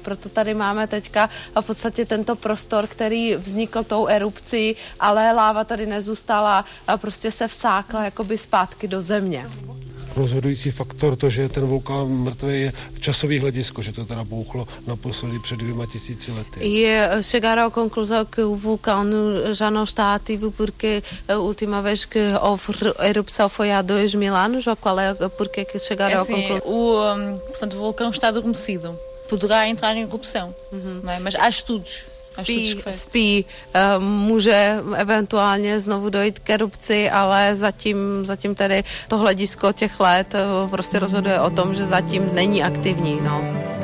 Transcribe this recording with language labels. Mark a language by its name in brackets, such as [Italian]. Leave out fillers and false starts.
[Czech] Proto tady máme teďka v podstatě tento prostor, který vznikl tou erupcí, ale láva tady nezůstala a prostě se vsákla jakoby zpátky do země. Rozhodující faktor to, že ten vulkán mrtvý, je časový hledisko, že to teda bouchlo naposledy před 2000 lety. [Portuguese] E chegaram à conclusão que o vulcão já não está ativo porque a última vez que houve erupção foi há 2000 anos, ou qual é porque que chegaram à conclusão? Portanto, o vulcão está adormecido. Poderá entrar em erupção, não é? Mas há estudos. [Czech] Spí, může eventuálně znovu dojít k erupci, ale zatím tady to hledisko těch let prostě rozhoduje o tom, že zatím není aktivní, no.